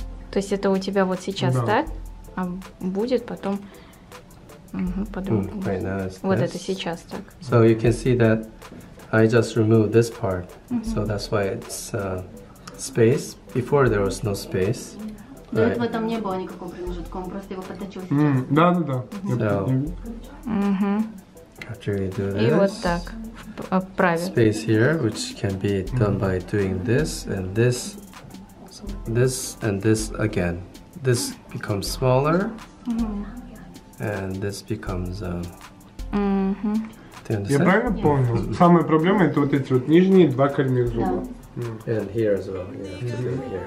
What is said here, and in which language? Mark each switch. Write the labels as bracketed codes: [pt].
[ru] То есть это у тебя вот сейчас, да? А будет потом по-другому. Вот это сейчас так. [en] So you can see that I just removed this part. So that's why it's space. Before there was no space. [ru] До этого там не было никакого промежутка, он просто его подточил сейчас. Да. [en] After you do this. [ru] И вот так, в праве. [en] Space here, which can be done by doing this, and this, this, and this again. This becomes smaller, and this becomes... [ru] Я правильно понял? Самая проблема это вот эти вот нижние два коренных зуба. [en] And here as well, yeah, here.